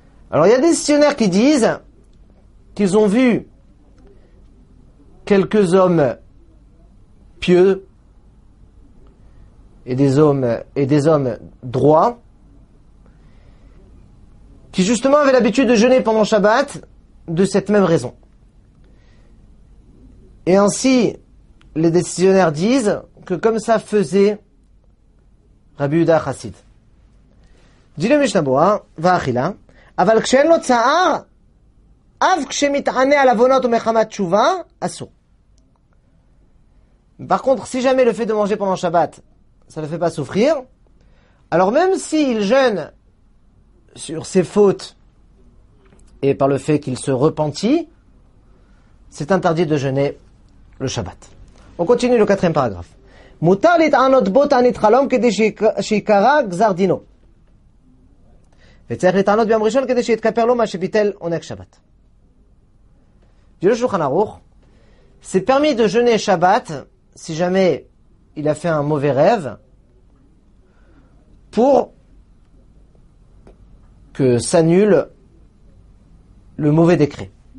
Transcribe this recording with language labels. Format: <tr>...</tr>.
<fr>Alors, il y a des dictionnaires qui disent qu'ils ont vu quelques hommes pieux et des hommes droits qui justement avaient l'habitude de jeûner pendant Shabbat de cette même raison. Et ainsi, les dictionnaires disent que comme ça faisait Rabbi Yehuda Hassid. Dit le Mishnah Berurah, va achila.</fr> <he>אבל כשאין לו צער, אף כשמתענה על עוונות ומחמת תשובה, אסור.</he> <fr>Par contre, si jamais le fait de manger pendant Shabbat, ça ne fait pas souffrir, alors même s'il jeûne sur ses fautes et par le fait qu'il se repentit, c'est interdit de jeûner le Shabbat. On continue le quatrième paragraphe.</fr> <he>מותר להתענות בו תענית חלום כדי שיקרא גזר דינו. וצריך לטענות ביום ראשון כדי שיתכפר לו מה שביטל עונג שבת.</he> <fr>Le Shulchan Aruch, c'est permis de jeûner Shabbat si jamais il a fait un mauvais rêve pour que s'annule le mauvais décret.</fr>